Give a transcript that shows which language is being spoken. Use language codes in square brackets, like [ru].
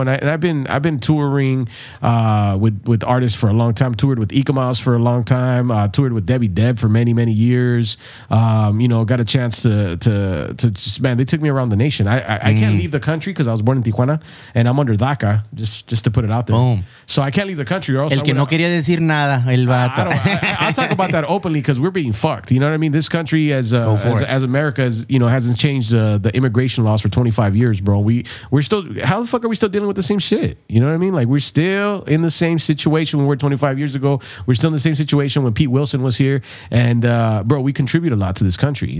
[en] And I've been touring with artists for a long time. Toured with Ika Miles for a long time. Toured with Debbie Deb for many, many years. You know, got a chance to they took me around the nation. I can't leave the country because I was born in Tijuana, and I'm under DACA, just to put it out there. Boom. So I can't leave the country. Or else [es] el que no quería decir nada, el vato. [en] I'll talk about that openly because we're being fucked. You know what I mean? This country as America is, you know, hasn't changed the immigration laws for 25 years, bro. We're still, how the fuck are we still dealing with the same shit? You know what I mean? Like we're still in the same situation when we were 25 years ago. We're still in the same situation when Pete Wilson was here. And bro, we contribute a lot to this country.